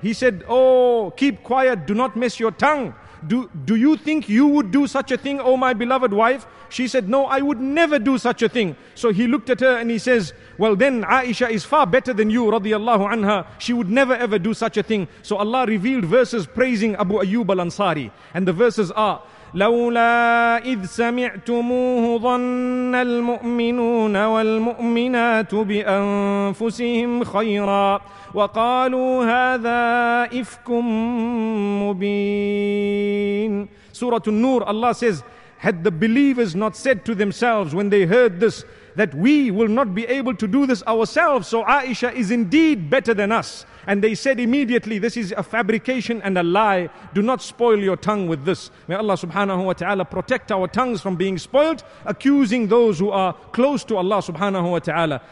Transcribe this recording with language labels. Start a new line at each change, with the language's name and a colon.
English: He said, "Oh, keep quiet, do not mess your tongue. Do you think you would do such a thing, oh my beloved wife?" She said, "No, I would never do such a thing." So he looked at her and he says, "Well then, Aisha is far better than you, radiallahu anha. She would never ever do such a thing." So Allah revealed verses praising Abu Ayyub al-Ansari. And the verses are,
Arabic: لولا إذ سمعتموه ظن المؤمنون والمؤمنات بأنفسهم خيرا وقالوا هذا إفك مبين.
English: سورة النور, Allah says, had the believers not said to themselves when they heard this that we will not be able to do this ourselves, so Aisha is indeed better than us. And they said immediately, this is a fabrication and a lie. Do not spoil your tongue with this. May Allah subhanahu wa ta'ala protect our tongues from being spoiled, accusing those who are close to Allah subhanahu wa ta'ala.